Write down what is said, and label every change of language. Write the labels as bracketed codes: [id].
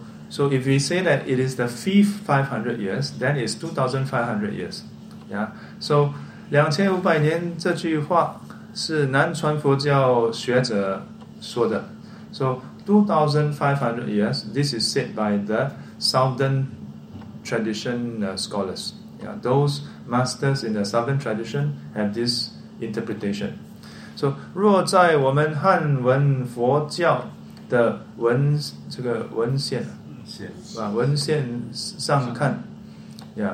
[en] So if we say that it is the fifth 500 years, then it's 2,500 years. Yeah. [zh] So, 2,500年 这句话是南传佛教学者说的. [en] So, 2,500 years, this is said by the Southern Tradition scholars. Yeah. Those masters in the Southern Tradition have this interpretation. [zh] So, 若在我们汉文佛教的文献, 文献上看, yeah.